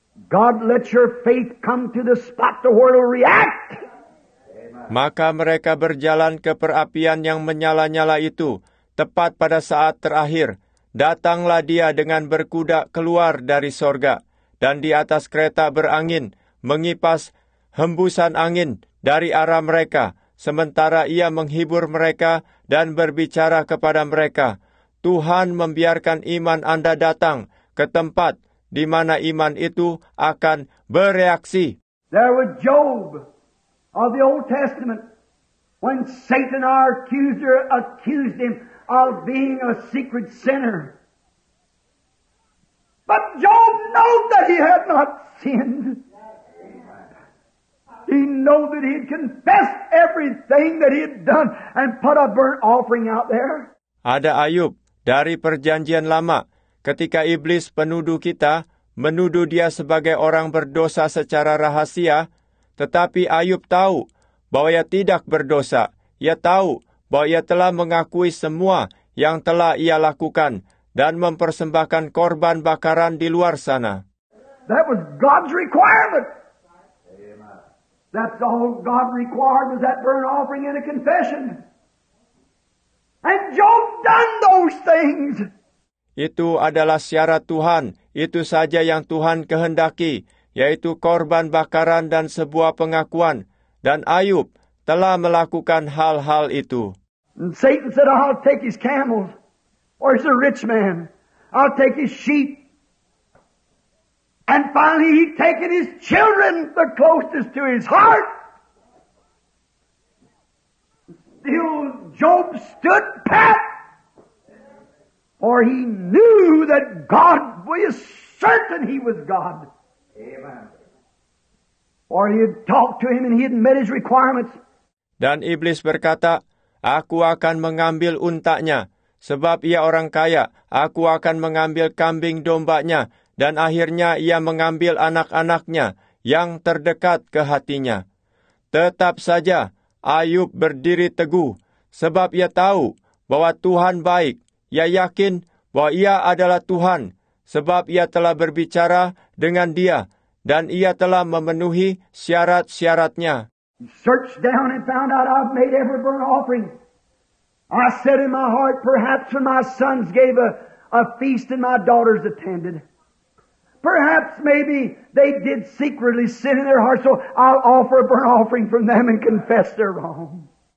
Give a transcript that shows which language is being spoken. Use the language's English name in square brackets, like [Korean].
[English] God, let your faith come to the spot to where it will react. [Indonesian] Maka mereka berjalan ke perapian yang menyala-nyala itu, tepat pada saat terakhir. Datanglah dia dengan berkuda keluar dari sorga, dan di atas kereta berangin, mengipas hembusan angin dari arah mereka, sementara ia menghibur mereka dan berbicara kepada mereka. Tuhan membiarkan iman Anda datang ke tempat di mana iman itu akan bereaksi. [English] There was Job of the Old Testament, when Satan, our accuser, accused him of being a secret sinner. But Job knew that he had not sinned. He knew that he had confessed everything that he had done and put a burnt offering out there. [Indonesian] Ada Ayub dari Perjanjian Lama, ketika iblis penuduh kita, menuduh dia sebagai orang berdosa secara rahasia. Tetapi Ayub tahu bahwa ia tidak berdosa. Ia tahu bahwa ia telah mengakui semua yang telah ia lakukan dan mempersembahkan korban bakaran di luar sana. [English] That was God's requirement. That's all God required, was that burnt offering and a confession. And Job done those things. [Indonesian] Itu adalah syarat Tuhan. Itu saja yang Tuhan kehendaki, yaitu korban bakaran dan sebuah pengakuan. Dan Ayub telah melakukan hal-hal itu. [English] And Satan said, I'll take his camels. Or he's a rich man. I'll take his sheep. And finally he'd taken his children, the closest to his heart. Still Job stood pat. For he knew that God was certain he was God. Amen. Or he had talked to him and he had met his requirements. [Indonesian] Dan iblis berkata, aku akan mengambil untanya, sebab ia orang kaya. Aku akan mengambil kambing dombanya, dan akhirnya ia mengambil anak-anaknya yang terdekat ke hatinya. Tetap saja Ayub berdiri teguh, sebab ia tahu bahwa Tuhan baik. Ia yakin bahwa ia adalah Tuhan, sebab ia telah berbicara dengan dia, dan ia telah memenuhi syarat-syaratnya. [English] He searched down and found out I've made every burnt offering. I said in my heart, perhaps when my sons gave a feast and my daughters attended. Perhaps maybe they did secretly sin in their hearts, so I'll offer a burnt offering from them and confess their wrong.